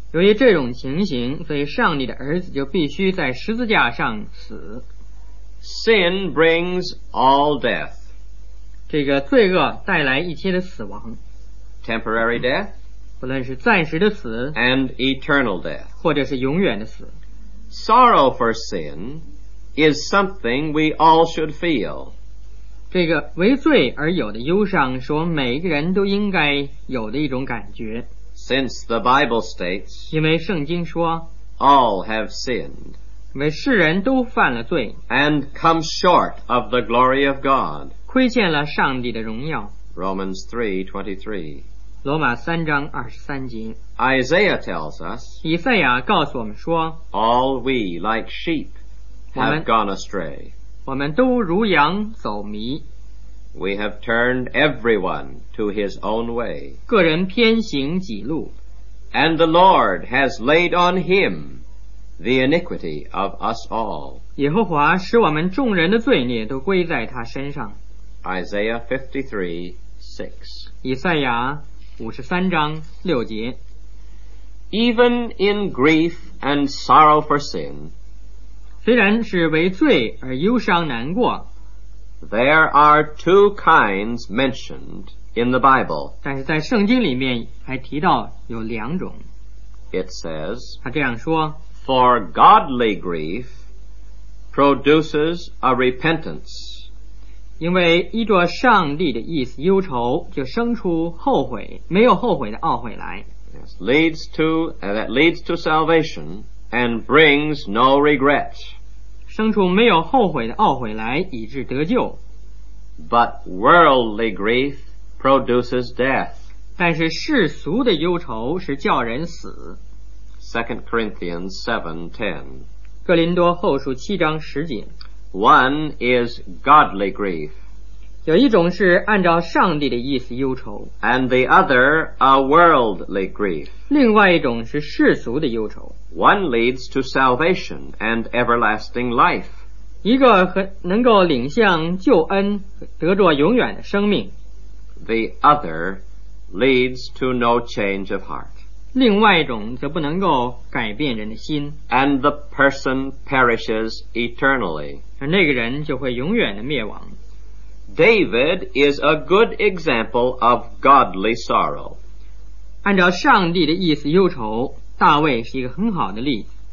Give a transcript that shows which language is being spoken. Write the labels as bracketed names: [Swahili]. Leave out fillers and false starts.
[Chinese] 由于这种情形，所以上帝的儿子就必须在十字架上死。 [English] Sin brings all death. [Chinese] 这个罪恶带来一切的死亡 [English] temporary death [Chinese] 不论是暂时的死 [English] and eternal death [Chinese] 或者是永远的死 [English] sorrow for sin is something we all should feel [Chinese] 这个为罪而有的忧伤是我们每一个人都应该有的一种感觉 [English] since the Bible states [Chinese] 因为圣经说 [English] all have sinned [Chinese] 因为世人都犯了罪 [English] and come short of the glory of God [Chinese] 亏欠了上帝的荣耀。 [English] Romans 3:23。 [Chinese] 罗马三章二十三节。 [English] Isaiah tells us. [Chinese] 以赛亚告诉我们说。 [English] All we like sheep have gone astray. [Chinese] 我们都如羊走迷。 [English] We have turned everyone to his own way. [Chinese] 个人偏行己路。 [English] And the Lord has laid on him the iniquity of us all. [Chinese] 耶和华使我们众人的罪孽都归在他身上。 [English] Isaiah 53:6。 [Chinese] 以赛亚五十三章六节。 [English] Even in grief and sorrow for sin, [Chinese] 虽然是为罪而忧伤难过 [English] ，there are two kinds mentioned in the Bible. [Chinese] 但是在圣经里面还提到有两种。 [English] It says, [Chinese] 他这样说 [English] ，For godly grief produces a repentance. [Chinese] 因为依着上帝的意思忧愁就生出后悔没有后悔的懊悔来 [English] yes, leads to salvation and brings no regret [Chinese] 生出没有后悔的懊悔来以致得救 [English] but worldly grief produces death [Chinese] 但是世俗的忧愁是叫人死 [English] 2 Corinthians 7:10 [Chinese] 哥林多后书七章十节。 [English] One is godly grief. [Chinese] 有一种是按照上帝的意思忧愁。 [English] And the other a worldly grief. [Chinese] 另外一种是世俗的忧愁。 [English] One leads to salvation and everlasting life. [Chinese] 一个能够领向救恩，得着永远的生命。 [English] The other leads to no change of heart. [Chinese] 另外一种则不能够改变人的心。 [English] And the person perishes eternally. [Chinese] 那个人就会永远的灭亡。 [English] David is a good example of godly sorrow. [Chinese] 按照上帝的意思忧愁，大卫是一个很好的例子。